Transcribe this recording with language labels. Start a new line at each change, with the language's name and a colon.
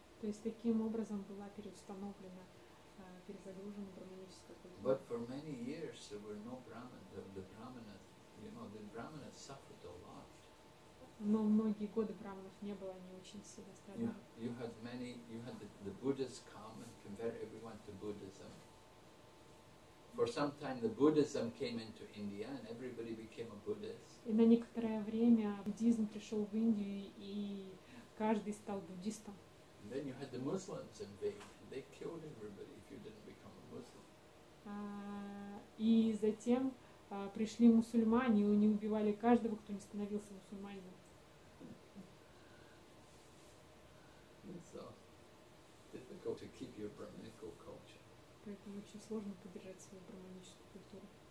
Russian: То есть таким образом была переустановлена, перезагружена брахманическая культура.
English: But for many years there were no brahmin. The brahmanas, you know, the brahmanas suffered a lot.
Russian: Но многие годы брахманов не было, они очень сильно страдали.
English: You had the Buddhas come and convert everyone to Buddhism. For some time the Buddhism came into India and everybody became a Buddhist.
Russian: И на некоторое время буддизм пришел в Индию и каждый стал буддистом.
English: And then you had the Muslims invade. They killed everybody if you didn't become a Muslim.
Russian: И затем пришли мусульмане, и они убивали каждого, кто не становился мусульманином.
English: So difficult to keep your brahmanical culture.
Russian: Поэтому очень сложно поддержать свою брахманическую культуру.